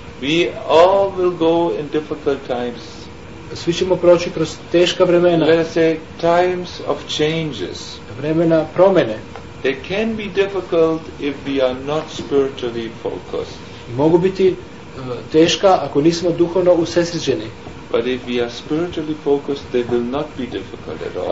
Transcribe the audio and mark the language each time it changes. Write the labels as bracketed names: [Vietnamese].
[English] We all will go in difficult times. [Serbian] Svi ćemo proći kroz teška vremena. [English] Let's say times of changes. [Serbian] Vremena promjene. [English] They can be difficult if we are not spiritually focused. [Serbian] Mogu biti teška ako nismo duhovno usredsređeni. [English] But if we are spiritually focused, they will not be difficult at all.